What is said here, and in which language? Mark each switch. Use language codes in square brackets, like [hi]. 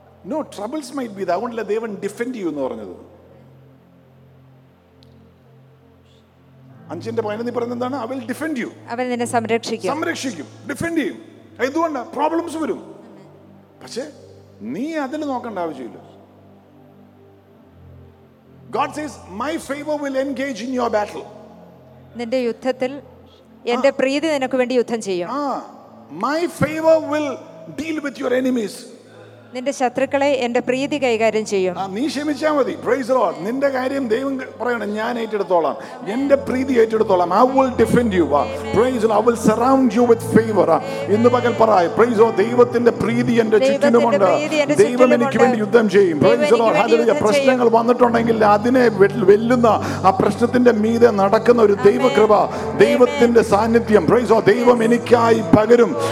[en] no, troubles might be the, [ml] അതുകൊണ്ടല്ല ദൈവൻ defend ചെയ്യൂ എന്ന് പറഞ്ഞത്. [en] 5:11 [ml] പറയുന്നത് എന്താണ്? [en] I will defend you, [ml] അവൻ നിന്നെ സംരക്ഷിക്കും. സംരക്ഷിക്കും, ഡിഫെൻഡ് ചെയ്യും. എന്തുകൊണ്ട്? പ്രോബ്ലംസ് വരും, പക്ഷെ നീ അതിൽ നോക്കേണ്ട ആവശ്യമില്ല. [en] God says, my favor will engage in your battle. [ml] നിന്റെ യുദ്ധത്തിൽ എൻ്റെ പ്രീതി നിനക്ക് വേണ്ടി യുദ്ധം ചെയ്യും. [en] My favor will deal with your enemies. [ml] നിന്റെ ശത്രുക്കളെ എൻ്റെ പ്രീതി കൈകാര്യം ചെയ്യും. നീ ക്ഷമിച്ചാ മതി. [en] Praise the lord. [ml] നിന്റെ കാര്യം ദൈവം പറയണം, ഞാൻ ഏറ്റെടുത്തോളാം, എൻ്റെ പ്രീതി ഏറ്റെടുത്തോളാം. [en] I will defend you. Praise the Lord. I will surround you with favor. [ml] ഇന്ന് പകൽ പറയ, [en] praise the lord, [ml] ദൈവത്തിന്റെ പ്രീതി എൻ്റെ ചുറ്റിലുമുണ്ട്. ദൈവം എനിക്ക് വേണ്ടി യുദ്ധം ചെയ്യും. [en] Praise the lord. [ml] ഹല്ലേലൂയ. പ്രശ്നങ്ങൾ വന്നിട്ടുണ്ടെങ്കിൽ അതിനെ വെല്ലുന്ന, ആ പ്രശ്നത്തിന്റെ മീതെ നടക്കുന്ന ഒരു ദൈവകൃപ, ദൈവത്തിന്റെ സാന്നിധ്യം, പ്രൈസ് ദി ലോർഡ്, ദൈവം എനിക്കായി പകരും.